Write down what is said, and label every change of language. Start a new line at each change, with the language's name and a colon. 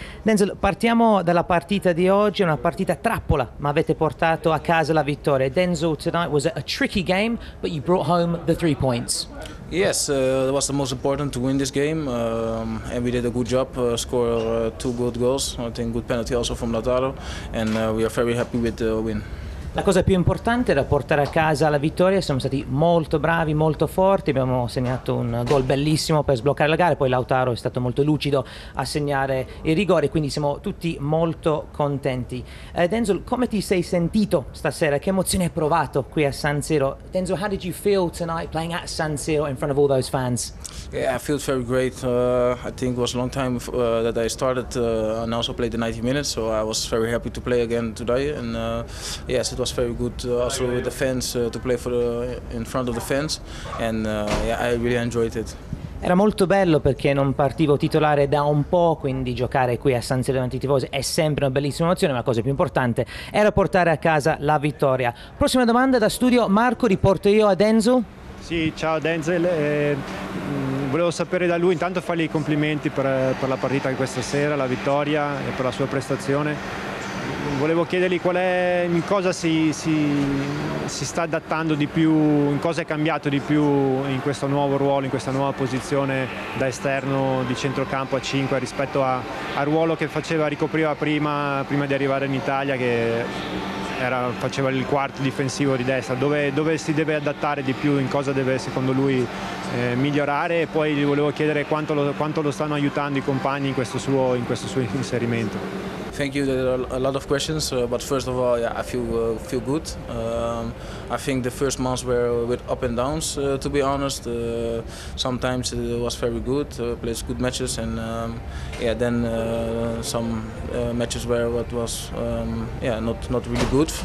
Italian: Denzo, partiamo dalla partita di oggi, una partita trappola, ma avete portato a casa la vittoria.
English: Denzo, tonight was a tricky game, but you brought home the 3 points. Yes, it was the most important to win this game, and we did a good job, scored two good goals, I think good penalty also from Lautaro, and we are very happy with the win.
Italian: La cosa più importante era portare a casa la vittoria, siamo stati molto bravi, molto forti, abbiamo segnato un gol bellissimo per sbloccare la gara, poi Lautaro è stato molto lucido a segnare il rigore, quindi siamo tutti molto contenti. Denzel, come ti sei sentito stasera? Che emozione hai provato qui a San Siro?
English: Denzel, how did you feel tonight playing at San Siro in front of all those fans? Yeah, I feel very great. I think it was a long time that I started and also played the 90 minutes, so I was very happy to play again today. And yes, it was very good also with the fans to play for in front of the fans, and yeah, I really enjoyed it.
Italian: Era molto bello perché non partivo titolare da un po', quindi giocare qui a San Siro davanti ai tifosi è sempre una bellissima emozione, ma la cosa più importante era portare a casa la vittoria. Prossima domanda da studio, Marco, riporto io a Denzel. Sì, ciao Denzel, volevo sapere da lui, intanto fargli i complimenti per la partita di questa sera, la vittoria e per la sua prestazione. Volevo chiedergli qual è, in cosa si sta adattando di più, in cosa è cambiato di più in questo nuovo ruolo, in questa nuova posizione da esterno di centrocampo a 5 rispetto al ruolo che ricopriva prima di arrivare in Italia, che faceva il quarto difensivo di destra. Dove si deve adattare di più, in cosa deve secondo lui migliorare, e poi gli volevo chiedere quanto lo stanno aiutando i compagni in questo suo inserimento.
English: Thank you. There are a lot of questions, but first of all, yeah, I feel good. I think the first months were with up and downs. To be honest, sometimes it was very good, played good matches, and then some matches where it was not really good.